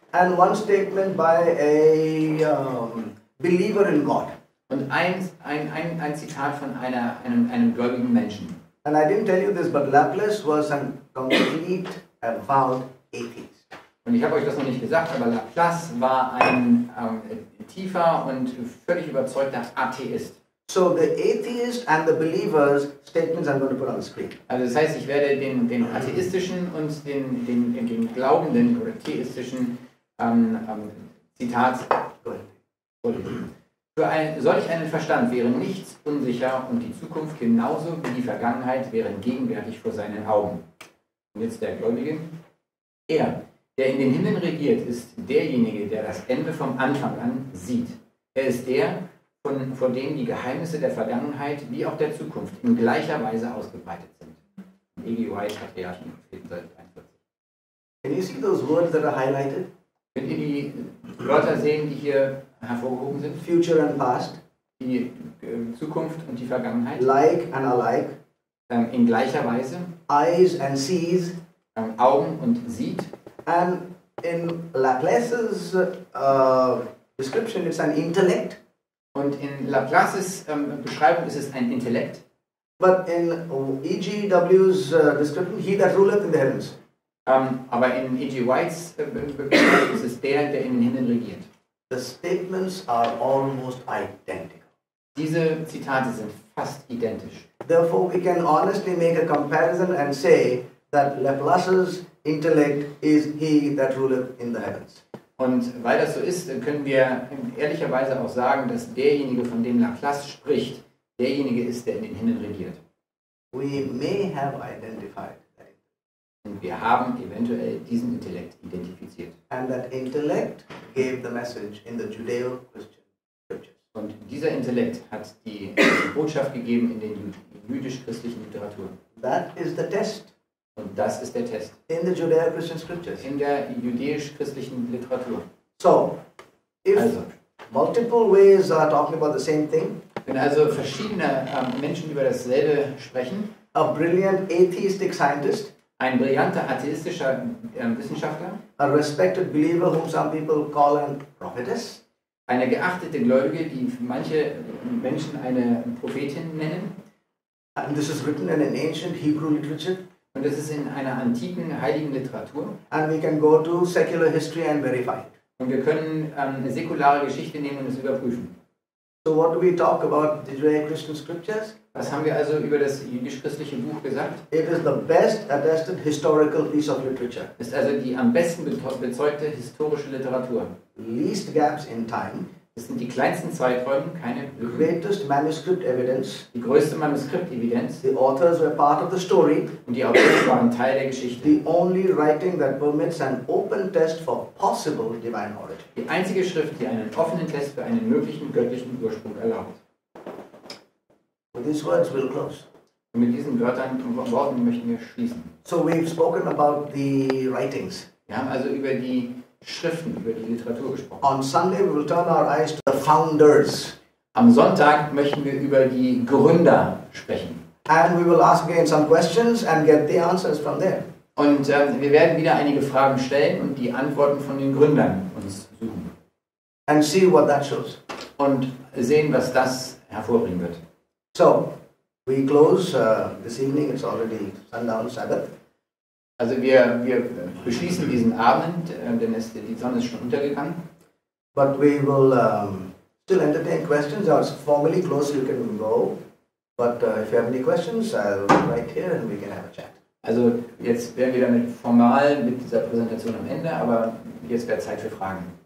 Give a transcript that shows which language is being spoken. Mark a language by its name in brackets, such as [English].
[English] And one statement by a believer in God. [German] Und ein Zitat von einem gläubigen Menschen. [English] And I didn't tell you this, but Laplace was a complete avowed atheist. [German] Und ich habe euch das noch nicht gesagt, aber Laplace war ein tiefer und völlig überzeugter Atheist. [English] So the atheist and the believer's statements I'm going to put on the screen. [German] Also das heißt, ich werde den atheistischen und den glaubenden oder theistischen Zitat vorlesen. Für solch einen Verstand wäre nichts unsicher und die Zukunft genauso wie die Vergangenheit wäre gegenwärtig vor seinen Augen. Und jetzt der Gläubige. Er, der in den Himmeln regiert, ist derjenige, der das Ende vom Anfang an sieht. Er ist der, von dem die Geheimnisse der Vergangenheit wie auch der Zukunft in gleicher Weise ausgebreitet sind. EGY, Patriarchen, Propheten, Seite 41. [English] Can you see those words that are highlighted? [German] Könnt ihr die Wörter sehen, die hier hervorgehoben sind? [English] Future and past. [German] Die Zukunft und die Vergangenheit. [English] Like and alike. [German] In gleicher Weise. [English] Eyes and sees. [German] Augen und sieht. [English] And in Laplace's description, it's an intellect. [German] Und in Laplace's Beschreibung ist es ein Intellekt. [English] But in EGW's description, he that ruleth in the heavens. [German] Aber in E.G. White's Beschreibung ist es der, der in den Himmeln regiert. [English] The statements are almost identical. [German] Diese Zitate sind fast identisch. [English] Therefore, we can honestly make a comparison and say that Laplace's intellect is he that ruleth in the heavens. [German] Und weil das so ist, können wir ehrlicherweise auch sagen, dass derjenige, von dem Laplace spricht, derjenige ist, der in den Himmeln regiert. [English] We may have identified that. [German] Und wir haben eventuell diesen Intellekt identifiziert. [English] And that intellect gave the message in the Judeo-Christian scriptures. [German] Und dieser Intellekt hat die Botschaft gegeben in den jüdisch-christlichen Literaturen. [English] That is the test. [German] Und das ist der Test. [English] In the Judeo-Christian scriptures. [German] In der jüdisch-christlichen Literatur. [English] So, if also, multiple ways are talking about the same thing, [German] wenn also verschiedene Menschen über dasselbe sprechen, [English] a brilliant atheistic scientist, [German] ein brillanter atheistischer Wissenschaftler, [English] a respected believer whom some people call a prophetess, [German] eine geachtete Gläubige, die manche Menschen eine Prophetin nennen, [English] and this is written in an ancient Hebrew literature, [German] und es ist in einer antiken heiligen Literatur, [English] and we can go to secular history and verify it, [German] und wir können eine säkulare Geschichte nehmen und es überprüfen. [English] So what do we talk about the Judeo-Christian scriptures? [German] Was haben wir also über das jüdisch-christliche Buch gesagt? [English] It is the best attested historical piece of literature. [German] Ist also die am besten bezeugte historische Literatur. [English] Least gaps in time. [German] Es sind die kleinsten Zeiträume, keine Lücken. [English] Greatest manuscript evidence. [German] Die größte Manuskriptevidenz. [English] The authors were part of the story. [German] Und die Autoren waren Teil der Geschichte. [English] The only writing that permits an open test for possible divine origin. [German] Die einzige Schrift, die einen offenen Test für einen möglichen göttlichen Ursprung erlaubt. [English] With these words we'll close. [German] Und mit diesen Wörtern und Worten möchten wir schließen. [English] So we've spoken about the writings. [German] Wir haben also über die Schriften, über die Literatur gesprochen. [English] On Sunday we will turn our eyes to the founders. [German] Am Sonntag möchten wir über die Gründer sprechen. [English] And we will ask again some questions and get the answers from there. [German] Und wir werden wieder einige Fragen stellen und die Antworten von den Gründern uns suchen. [English] And see what that shows. [German] Und sehen, was das hervorbringen wird. [English] So, We close this evening, it's already sundown Sabbath. [German] Also wir beschließen diesen Abend, denn es, die Sonne ist schon untergegangen. [English] But we will still entertain questions. I was formally closed, you can go. But if you have any questions, I'll be right here and we can have a chat. [German] Also jetzt wären wir damit formal mit dieser Präsentation am Ende, aber jetzt wäre Zeit für Fragen.